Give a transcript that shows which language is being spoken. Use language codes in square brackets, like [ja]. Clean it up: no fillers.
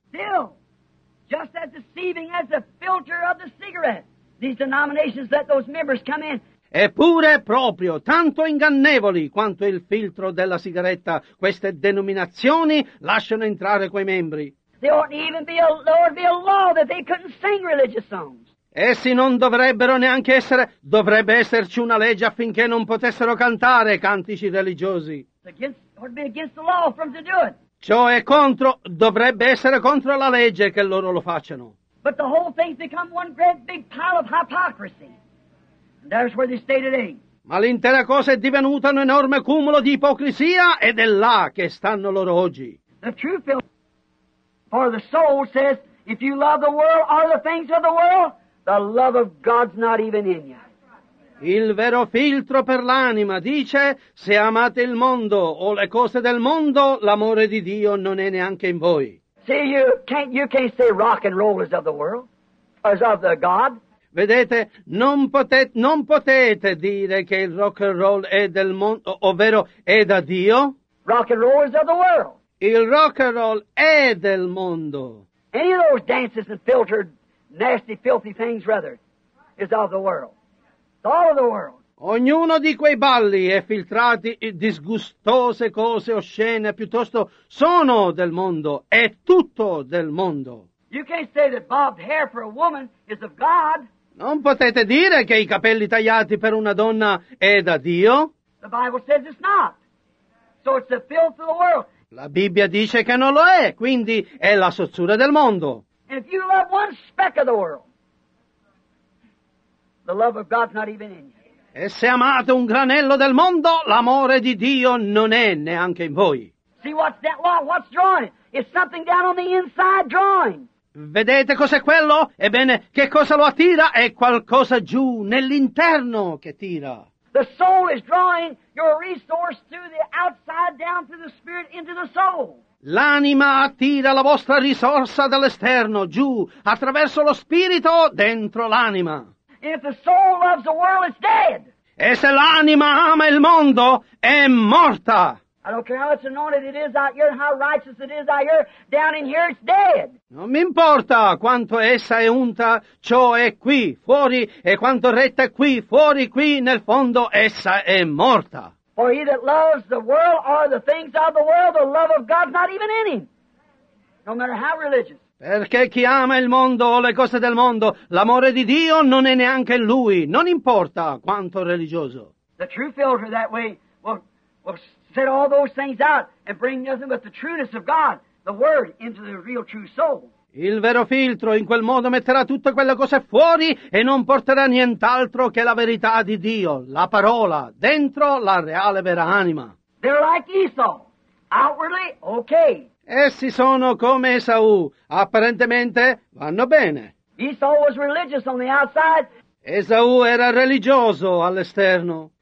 [en] Still. Just as deceiving as the filter of the cigarette, these denominations let those members come in. [it] Eppure proprio, tanto ingannevoli quanto il filtro della sigaretta, queste denominazioni lasciano entrare quei membri. [en] There ought to be a law that they couldn't sing religious songs. [it] Essi non dovrebbero neanche essere, dovrebbe esserci una legge affinché non potessero cantare cantici religiosi. [en] It ought to be against the law for them to do it. [it] Ciò è contro, dovrebbe essere contro la legge che loro lo facciano. [en] But the whole thing's become one great big pile of hypocrisy. And that's where they stay today. [it] Ma l'intera cosa è divenuta un enorme cumulo di ipocrisia ed è là che stanno loro oggi. [en] The true filter for the soul says, if you love the world or the things of the world, the love of God's not even in you. [it] Il vero filtro per l'anima dice: se amate il mondo o le cose del mondo, l'amore di Dio non è neanche in voi. [en] See, you can't say rock and roll is of the world, is of the God. [it] Vedete, non potete dire che il rock and roll è del mondo, ovvero è da Dio. [en] Rock and roll is of the world. [it] Il rock and roll è del mondo. [en] Any of those dances and filtered, nasty, filthy things, rather, is of the world. It's all of the world. [it] Ognuno di quei balli e filtrati e disgustose cose oscene piuttosto sono del mondo, è tutto del mondo. [en] You can't say that bobbed hair for a woman is of God. [it] Non potete dire che i capelli tagliati per una donna è da Dio. [en] The Bible says it's not. So it's the filth of the world. [it] La Bibbia dice che non lo è, quindi è la sozzura del mondo. [en] And if you love one speck of the world, the love of God's not even in you. [it] E se amate un granello del mondo, l'amore di Dio non è neanche in voi. [en] See what's that? What's drawing? It's something down on the inside drawing. [it] Vedete cos'è quello? Ebbene, che cosa lo attira? È qualcosa giù, nell'interno che tira. [en] The soul is drawing your resource through the outside down through the spirit into the soul. [it] L'anima attira la vostra risorsa dall'esterno, giù, attraverso lo spirito, dentro l'anima. [en] If the soul loves the world, it's dead. [it] E se l'anima ama il mondo, è morta. [en] I don't care how much anointed it is out here, how righteous it is out here, down in here it's dead. [it] Non mi importa quanto essa è unta, ciò è qui fuori, e quanto retta è qui fuori, qui nel fondo essa è morta. [en] For he that loves the world or the things of the world, the love of God's not even in him. No matter how religious. [it] Perché chi ama il mondo o le cose del mondo, l'amore di Dio non è neanche in lui, non importa quanto religioso. [en] The true filter that way will set all those things out and bring nothing but the trueness of God, the Word, into the real true soul. [it] Il vero filtro in quel modo metterà tutte quelle cose fuori e non porterà nient'altro che la verità di Dio, la parola, dentro la reale vera anima. [en] They're like Esau, outwardly, okay. [it] Essi sono come Esau, apparentemente vanno bene. [en] Esau was religious on the outside. [it] Esau era religioso all'esterno.